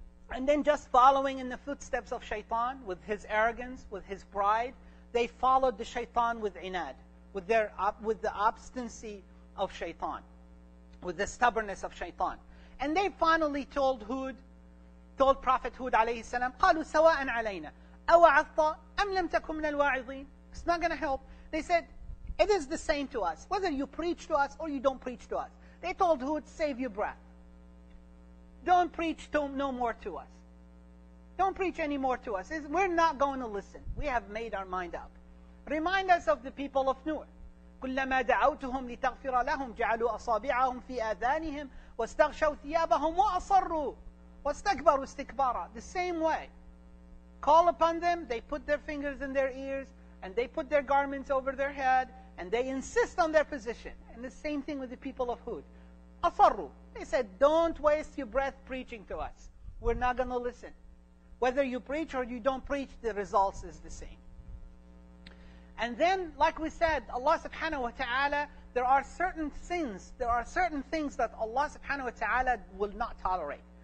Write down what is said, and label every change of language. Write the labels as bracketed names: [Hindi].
[English] And then just following in the footsteps of shaitan with his arrogance, with his pride, they followed the shaitan with inad, with the obstinacy of shaitan, with the stubbornness of shaitan. And they finally told Hud, told Prophet Hud alayhi salam, [Arabic] قالوا سواء علينا أوعظت أم لم تكن من الواعظين. [English] It's not going to help. They said, it is the same to us, whether you preach to us or you don't preach to us. They told Hud, save your breath. Don't preach no more to us. Don't preach any more to us. We're not going to listen. We have made our mind up. Remind us of the people of Nur. [Arabic] كلما دعوتهم لتغفر لهم جعلوا أصابعهم في آذانهم واستغشوا ثيابهم وأصروا واستكبروا استكبارا. [English] The same way. Call upon them, they put their fingers in their ears and they put their garments over their head and they insist on their position. And the same thing with the people of Hud. [Arabic] أصروا. [English] They said, don't waste your breath preaching to us. We're not going to listen. Whether you preach or you don't preach, the results is the same. And then, like we said, Allah subhanahu wa ta'ala, there are certain sins, there are certain things that Allah subhanahu wa ta'ala will not tolerate.